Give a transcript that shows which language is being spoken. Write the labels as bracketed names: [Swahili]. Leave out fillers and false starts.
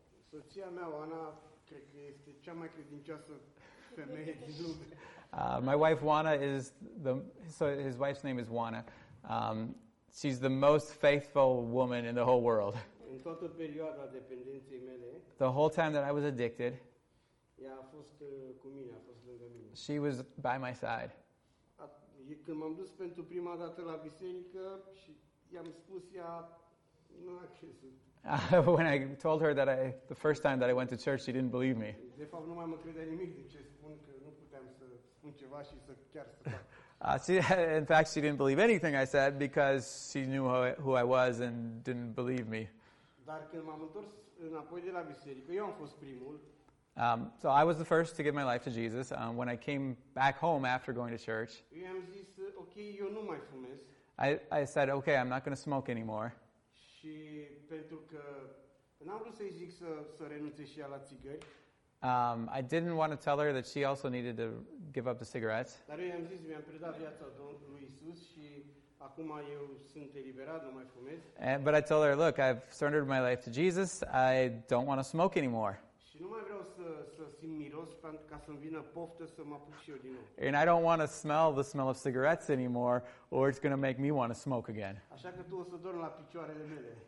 [Romanian] Soția mea, Ana, cred că este cea mai credincioasă femeie din lume. [English] My wife Juana is the so his wife's name is Juana. She's the most faithful woman in the whole world. [Romanian] În toată perioada dependenței mele. [English] The whole time that I was addicted. [Romanian] Ea a fost cu mine, a fost lângă mine. [English] She was by my side. [Romanian] Când m-am dus pentru prima dată la biserică și i-am spus ea, nu a crezut. [English] When I told her that I the first time that I went to church, she didn't believe me. [Romanian] De fapt, nu mai mă credea nimic din ce spun, că nu puteam să spun ceva și să chiar să fac. [English] In fact, she didn't believe anything I said because she knew who I was and didn't believe me. [Romanian] Dar când m-am întors înapoi de la biserică, eu am fost primul. [English] So I was the first to give my life to Jesus. When I came back home after going to church, [Romanian] eu am zis, okay, eu nu mai fumez. [English] I said, okay, I'm not going to smoke anymore. [Romanian] Și pentru că n-am vrut să-i zic să renunțe și ea la țigări. [English] I didn't want to tell her that she also needed to give up the cigarettes. [Romanian] Dar eu i-am zis, mi-am predat viața Domnului Iisus și acum eu sunt eliberat, nu mai fumez. [English] But I told her, look, I've surrendered my life to Jesus. I don't want to smoke anymore. [Romanian] Și nu mai vreau să simt miros pentru ca să-mi vină poftă să mă apuc și eu din nou. [English] And I don't want to smell the smell of cigarettes anymore, or it's going to make me want to smoke again. [Romanian] Așa că tu o să dormi la picioarele mele.